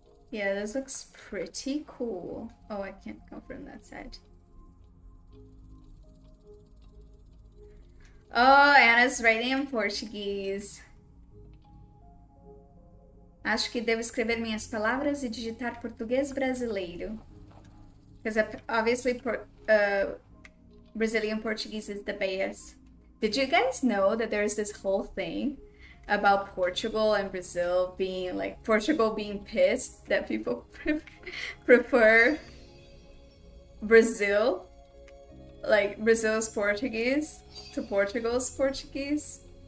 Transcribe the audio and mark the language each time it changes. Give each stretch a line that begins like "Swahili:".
English: Yeah, this looks pretty cool. Oh, I can't go from that side. Anna's writing in Portuguese.
Portuguese: Acho que devo escrever minhas palavras e digitar português brasileiro.
English: Because obviously, Brazilian Portuguese is the best. Did you guys know that there's this whole thing about Portugal and Brazil being like Portugal being pissed that people prefer Brazil, like Brazil's Portuguese to Portugal's Portuguese?